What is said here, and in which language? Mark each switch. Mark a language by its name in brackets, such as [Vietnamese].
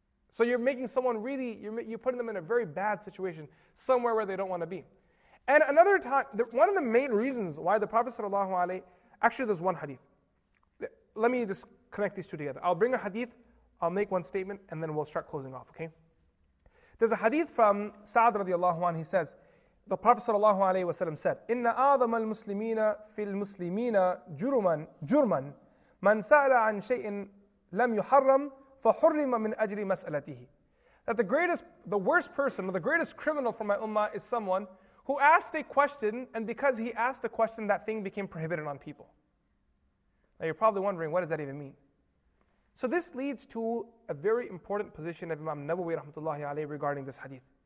[English] So you're making someone really, you're putting them in a very bad situation, somewhere where they don't want to be. And another time, one of the main reasons why the Prophet sallallahu alaihi, actually there's one hadith. Let me just connect these two together. I'll bring a hadith, I'll make one statement, and then we'll start closing off, okay? There's a hadith from Sa'd radiallahu anhu, he says, the Prophet sallallahu alaihi wasallam said, [Arabic] إِنَّ أَعْظَمَ الْمُسْلِمِينَ فِي الْمُسْلِمِينَ جُرْمًا مَنْ سَأَلَ عَنْ شَيْءٍ لَمْ يُحَرَّمْ فَحُرِّمَ مِنْ أَجْرِ مَسْأَلَتِهِ. [English] That the worst person, or the greatest criminal for my ummah is someone who asked a question, and because he asked a question, that thing became prohibited on people. Now you're probably wondering, what does that even mean? So this leads to a very important position of Imam Nawawi rahmatullahi alayhi regarding this hadith.